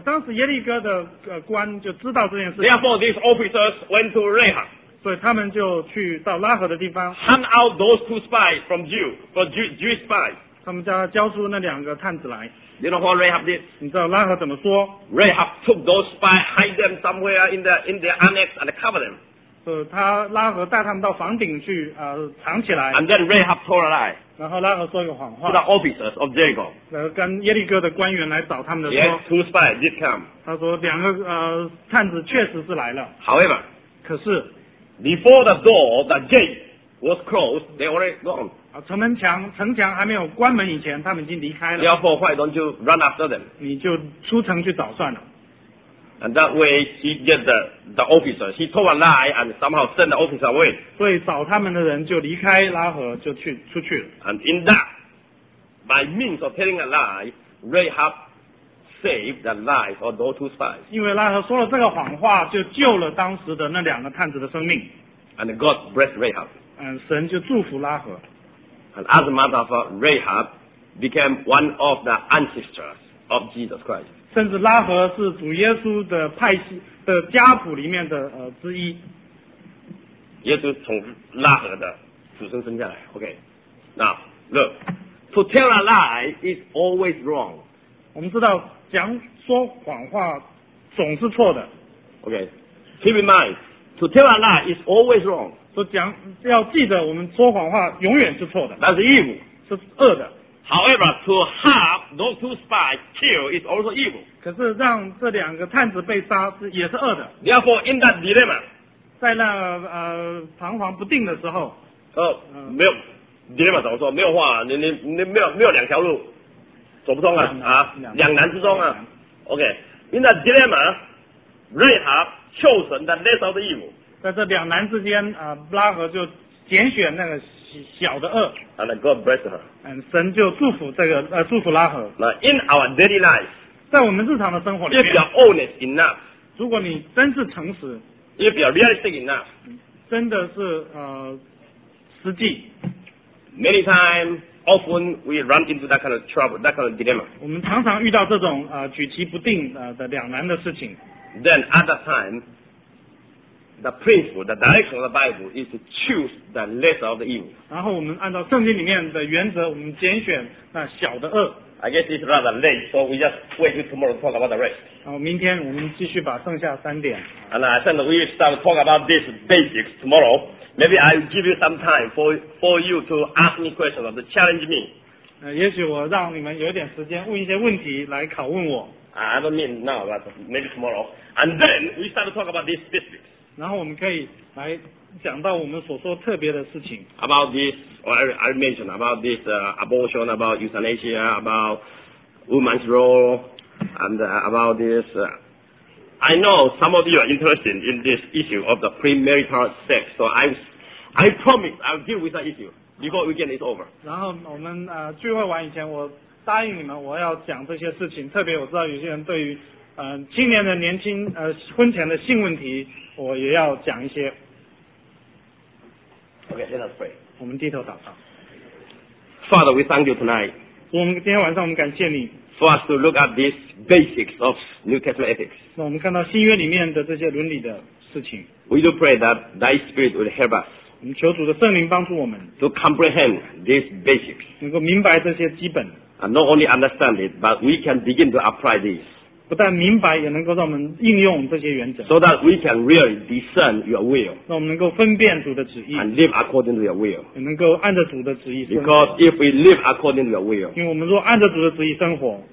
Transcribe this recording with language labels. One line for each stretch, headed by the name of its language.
Chinese: 当时耶利哥的官就知道这件事。
English: Therefore, these officers went to Rahab.
Chinese: 所以他们就去到拉哈的地方。
English: Hunt out those two spies from Jew, for Jewish spies.
Chinese: 他们叫交出那两个探子来。
English: You know what Rahab did?
Chinese: 你知道拉合怎么说？
English: Rahab took those spies, hide them somewhere in their annex and cover them.
Chinese: 他拉合带他们到房顶去藏起来。
English: And then Rahab told a lie.
Chinese: 然后拉合说一个谎话。
English: To the officers of Jericho.
Chinese: 跟耶利哥的官员来找他们的说。
English: Yes, two spies did come.
Chinese: 他说两个探子确实是来了。
English: However,
Chinese: 可是
English: before the door, the gate was closed, they already gone.
Chinese: 城墙还没有关门以前，他们已经离开了。
English: Therefore, why don't you run after them?
Chinese: 你就出城去找算了。
English: And that way, he get the officer. He told a lie and somehow send the officer away.
Chinese: 所以找他们的人就离开拉合，就去出去了。
English: And in that, by means of telling a lie, Rahab saved the life of those two spies.
Chinese: 因为拉合说了这个谎话，就救了当时的那两个探子的生命。
English: And God blessed Rahab.
Chinese: 神就祝福拉合。
English: And as a matter of fact, Rahab became one of the ancestors of Jesus Christ.
Chinese: 甚至拉合是主耶稣的派系的家谱里面的之一。耶稣从拉合的祖孙生下来。
English: Okay. Now, look. To tell a lie is always wrong.
Chinese: 我们知道讲说谎话总是错的。
English: Okay. Keep in mind, to tell a lie is always wrong.
Chinese: 要记得我们说谎话永远是错的。
English: That's evil.
Chinese: 是恶的。
English: However, to harm those two spies kill is also evil.
Chinese: 可是让这两个探子被杀也是恶的。
English: Therefore, in that dilemma,
Chinese: 在那彷徨不定的时候，没有 dilemma 怎么说？没有话，你没有两条路走不通啊，两难之中啊。
English: Okay, in that dilemma, Rahab chose the less of the evil.
Chinese: 在这两难之间，拉合就拣选那个小的恶。
English: And God bless her.
Chinese: 神就祝福这个祝福拉合。
English: Now, in our daily life,
Chinese: 在我们日常的生活里面
English: ，if you're honest enough,
Chinese: 如果你真是诚实。
English: If you're realistic enough,
Chinese: 真的是实际。
English: Many times, often we run into that kind of trouble, that kind of dilemma.
Chinese: 我们常常遇到这种举棋不定的两难的事情。
English: Then at that time, the principle, the direction of the Bible is to choose the lesser of the evil.
Chinese: 然后我们按照圣经里面的原则，我们拣选那小的恶。
English: I guess it's rather late, so we just wait till tomorrow to talk about the rest.
Chinese: 然后明天我们继续把剩下三点。
English: And I think we start to talk about these basics tomorrow. Maybe I give you some time for you to ask me questions or to challenge me.
Chinese: 也许我让你们有点时间问一些问题来拷问我。
English: I don't mean now, but maybe tomorrow. And then we start to talk about these specifics.
Chinese: 然后我们可以来讲到我们所说特别的事情。
English: About this, or I mentioned about this abortion, about euthanasia, about woman's role, and about this. I know some of you are interested in this issue of the premarital sex, so I promise I'll deal with that issue before weekend is over.
Chinese: 然后我们聚会完以前，我答应你们我要讲这些事情，特别我知道有些人对于青年的年轻婚前的性问题，我也要讲一些。
English: Okay, let us pray.
Chinese: 我们低头祷告。
English: Father, we thank you tonight.
Chinese: 我们今天晚上我们感谢你。
English: For us to look at these basics of New Testament ethics.
Chinese: 那我们看到新约里面的这些伦理的事情。
English: We do pray that Thy Spirit will help us.
Chinese: 我们求主的圣灵帮助我们。
English: To comprehend these basics.
Chinese: 能够明白这些基本。
English: And not only understand it, but we can begin to apply these.
Chinese: 不但明白，也能够让我们应用这些原则。
English: So that we can really discern your will.
Chinese: 那我们能够分辨主的旨意。
English: And live according to your will.
Chinese: 也能够按着主的旨意生活。
English: Because if we live according to your will,
Chinese: 因为我们若按着主的旨意生活，